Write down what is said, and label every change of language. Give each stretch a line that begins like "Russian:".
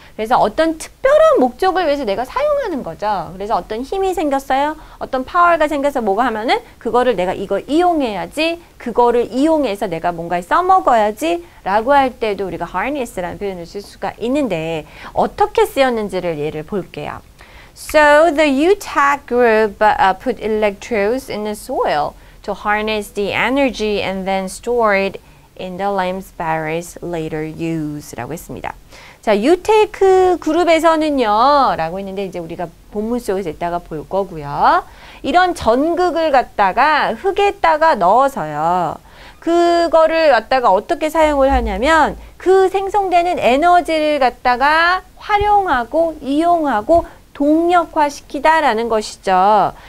Korean: 그래서 어떤 특별한 목적을 위해서 내가 사용하는 거죠. 그래서 어떤 힘이 생겼어요. 어떤 파워가 생겨서 뭐가 하면은 그거를 내가 이거 이용해야지 그거를 이용해서 내가 뭔가에 써먹어야지 라고 할 때도 우리가 harness라는 표현을 쓸 수가 있는데 어떻게 쓰였는지를 예를 볼게요.
English: So the Utah group put electrodes in the soil to harness the energy and then store it in the lime's berries later use
Korean: 라고 했습니다. 자, 유테크 그룹에서는요 라고 했는데 이제 우리가 본문 속에서 이따가 볼 거고요. 이런 전극을 갖다가 흙에다가 넣어서요. 그거를 갖다가 어떻게 사용을 하냐면 그 생성되는 에너지를 갖다가 활용하고 이용하고 동력화시키다라는 것이죠.